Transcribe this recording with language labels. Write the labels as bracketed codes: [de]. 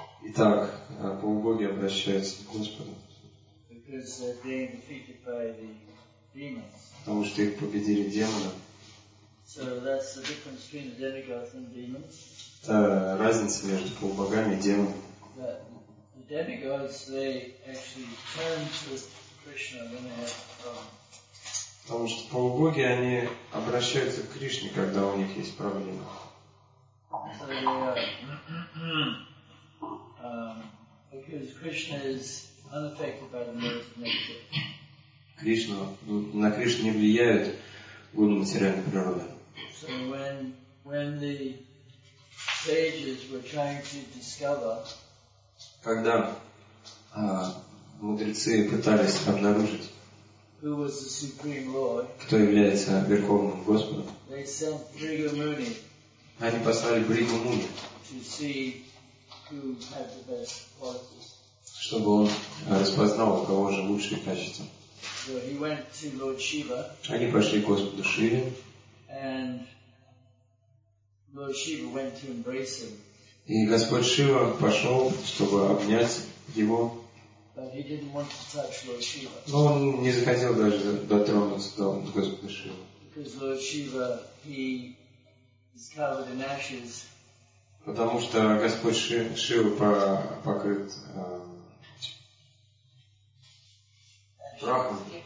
[ru] Итак, полубоги обращаются к Господу. [en] Because they're being defeated by the demons. [ru] Потому что их победили демоны. [en] So that's the difference between the demigods and demons. [ru] Это разница между полубогами и демонами. [en] The demigods, they actually turn to Krishna when they have problems. [ru] Потому что полубоги, они обращаются к Кришне, когда у них есть проблемы. [en] So they are... because Krishna is unaffected by the world's nature. [ru] Кришна, на Кришну не влияют гуны материальной природы. [en] So when the sages were trying to discover, [ru] когда мудрецы пытались обнаружить, [en] who was the supreme lord, [ru] кто является верховным Господом, [en] they sent Bhrigu Muni, [ru] они послали Бригу Муни, [en] to see who had the best qualities, [ru] чтобы он распознал, у кого же лучшие качества. [en] So he went to Lord Shiva. [ru] Они пошли к Господу Шиве. [en] And Lord Shiva went to embrace him. [ru] И Господь Шива пошел, чтобы обнять его. [en] But he didn't want to touch Lord Shiva. [ru] Но он не захотел даже дотронуться до Господа Шивы. [en] Because Lord Shiva, he is covered in ashes. [ru] Потому что Господь Шива покрыт прахом.